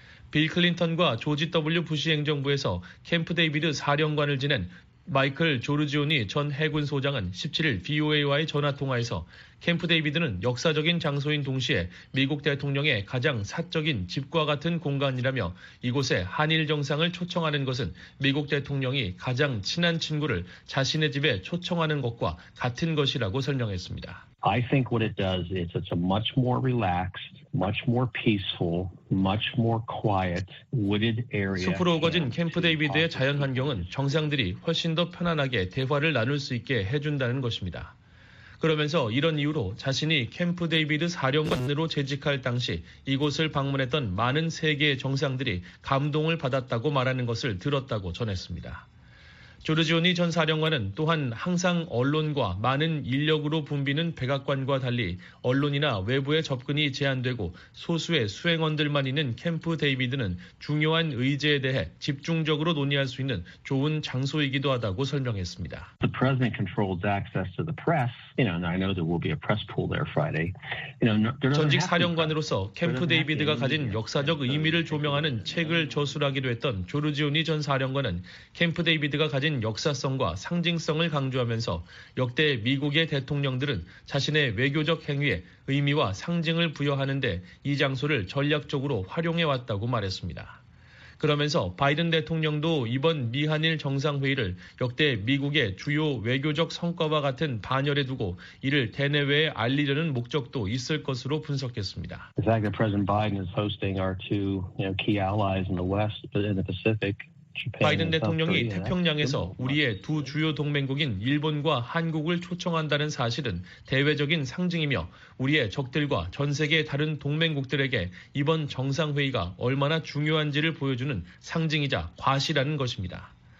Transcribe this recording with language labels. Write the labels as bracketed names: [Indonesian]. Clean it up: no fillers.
[Korean] 빌 클린턴과 조지 W. 부시 행정부에서 캠프 데이비드 사령관을 지낸 마이클 조르지오니 전 해군 소장은 17일 VOA와의 전화통화에서 캠프 데이비드는 역사적인 장소인 동시에 미국 대통령의 가장 사적인 집과 같은 공간이라며 이곳에 한일 정상을 초청하는 것은 미국 대통령이 가장 친한 친구를 자신의 집에 초청하는 것과 같은 것이라고 설명했습니다. [English] I think what it does is it's a much more relaxed, much more peaceful, much more quiet, wooded area. [Korean] 숲으로 우거진 캠프 데이비드의 자연 환경은 정상들이 훨씬 더 편안하게 대화를 나눌 수 있게 해준다는 것입니다. 그러면서 이런 이유로 자신이 캠프 데이비드 사령관으로 재직할 당시 이곳을 방문했던 많은 세계의 정상들이 감동을 받았다고 말하는 것을 들었다고 전했습니다. 조르지오니 전 사령관은 또한 항상 언론과 많은 인력으로 붐비는 백악관과 달리 언론이나 외부의 접근이 제한되고 소수의 수행원들만 있는 캠프 데이비드는 중요한 의제에 대해 집중적으로 논의할 수 있는 좋은 장소이기도 하다고 설명했습니다. [English] The president controls access to the press. You know, I know there will be a press pool there Friday. You know, [Korean] 전직 사령관으로서 캠프 데이비드가 가진 역사적 의미를 조명하는 책을 저술하기도 했던 조르지오니 전 사령관은 캠프 데이비드가 가진 역사성과 상징성을 강조하면서 역대 미국의 대통령들은 자신의 외교적 행위에 의미와 상징을 부여하는 데 이 장소를 전략적으로 활용해왔다고 말했습니다. 그러면서 바이든 대통령도 이번 미한일 정상회의를 역대 미국의 주요 외교적 성과와 같은 반열에 두고 이를 대내외에 알리려는 목적도 있을 것으로 분석했습니다. [English] The fact that President Biden is hosting our two key allies in the West in the Pacific. [Korean] 바이든 대통령이 태평양에서 우리의 두 주요 동맹국인 일본과 한국을 초청한다는 사실은 대외적인 상징이며 우리의 적들과 전 세계 다른 동맹국들에게 이번 정상회의가 얼마나 중요한지를 보여주는 상징이자 과시라는 것입니다.